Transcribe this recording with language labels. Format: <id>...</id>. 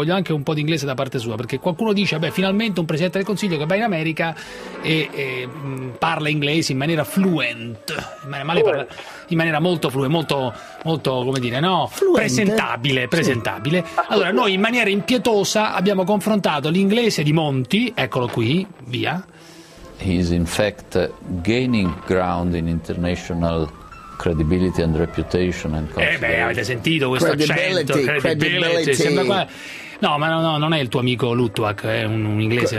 <it>Voglio anche un po' di inglese da parte sua, perché qualcuno dice, beh, finalmente un presidente del Consiglio che va in America e parla inglese in maniera fluent, in maniera molto fluente, molto come dire, no? Fluente. Presentabile. Sì. Allora, noi in maniera impietosa abbiamo confrontato l'inglese di Monti, eccolo qui, via.</it> <en>He is in fact gaining ground in international credibility and reputation and</en> <it>confidence. Avete sentito questo</it> <en>credibility.</en> <it>No, ma no, non è il tuo amico Luttuak, è un inglese</it>